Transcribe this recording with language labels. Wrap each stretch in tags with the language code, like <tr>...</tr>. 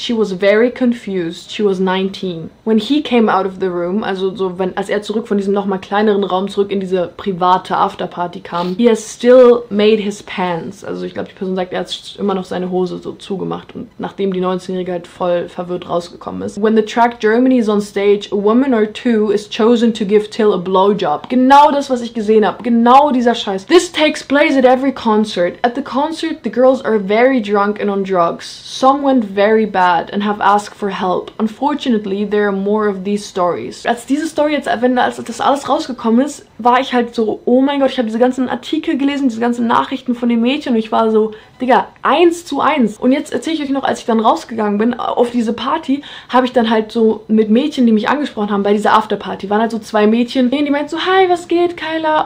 <en>She was very confused. She was 19. When he came out of the room,</en> <de>also so wenn, als er zurück von diesem nochmal kleineren Raum zurück in diese private Afterparty kam,</de> <en>he has still made his pants.</en> <de>Also ich glaube, die Person sagt, er hat immer noch seine Hose so zugemacht und nachdem die 19-Jährige halt voll verwirrt rausgekommen ist.</de> <en>When the track Germany is on stage, a woman or two is chosen to give Till a blowjob.</en> <de>Genau das, was ich gesehen habe. Genau dieser Scheiß.</de> <en>This takes place at every concert. At the concert, the girls are very drunk and on drugs. Some went very bad and have asked for help. Unfortunately, there are more of these stories.</en> <de>Als diese Story jetzt, wenn als das alles rausgekommen ist, war ich halt so, oh mein Gott, ich habe diese ganzen Artikel gelesen, diese ganzen Nachrichten von den Mädchen und ich war so, Digga, 1:1. Und jetzt erzähle ich euch noch, als ich dann rausgegangen bin auf diese Party, habe ich dann halt so mit Mädchen, die mich angesprochen haben bei dieser Afterparty, waren halt so zwei Mädchen, die meinten so, hi, was geht, Kyla?</de>